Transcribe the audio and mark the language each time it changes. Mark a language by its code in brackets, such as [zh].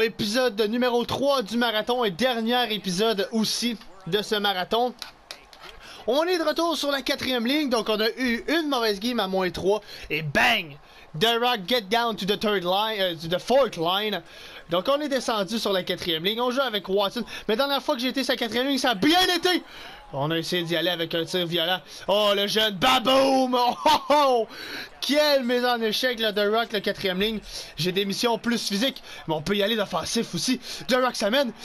[fr] Épisode numéro 3 du marathon et dernier épisode aussi de ce marathon. On est de retour sur la quatrième ligne, donc on a eu une mauvaise game à moins 3 et bang! [en] The Rock get down to the third line, to the fourth line. [fr] Donc on est descendu sur la quatrième ligne, on joue avec Watson, mais dans la fois que j'ai été sur la quatrième ligne, ça a bien été! On a essayé d'y aller avec un tir violent. Oh, le jeune Baboum! Oh, oh, oh! Quelle mise en échec, là, The Rock, la quatrième ligne. J'ai des missions plus physiques, mais on peut y aller d'offensif aussi. The Rock s'amène.